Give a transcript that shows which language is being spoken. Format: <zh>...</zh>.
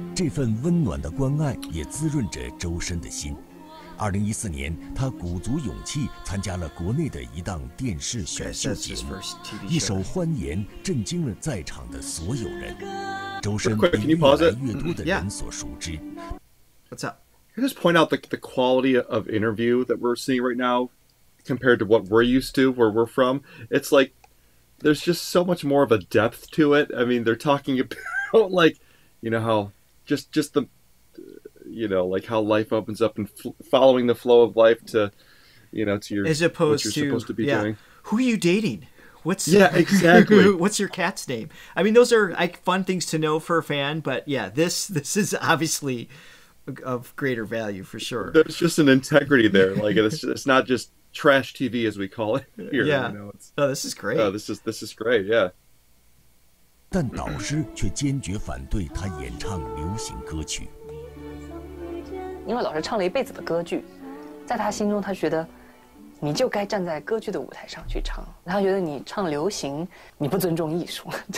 <zh>这份温暖的关爱也滋润着周深的心。 2014年，他鼓足勇气参加了国内的一档电视选秀节目，一首《欢颜》震惊了在场的所有人。周深被越来越多的人所熟知。</zh> <en>What's up? Can you just point out the quality of interview that we're seeing right now compared to what we're used to where we're from? It's like there's just so much more of a depth to it. I mean, they're talking about like, you know, how just the, you know, like how life opens up and following the flow of life to, you know, to your as opposed what you're to, supposed to be doing. Who are you dating? What's exactly. What's your cat's name? I mean, those are like fun things to know for a fan, but yeah, this is obviously of greater value for sure. There's just an integrity there. Like it's not just trash TV as we call it here. Yeah. You know, this is great. This is great. Yeah.</en> <zh>但导师却坚决反对他演唱流行歌曲。因为老师唱了一辈子的歌剧，在他心中，他觉得你就该站在歌剧的舞台上去唱。他觉得你唱流行，你不尊重艺术。</zh>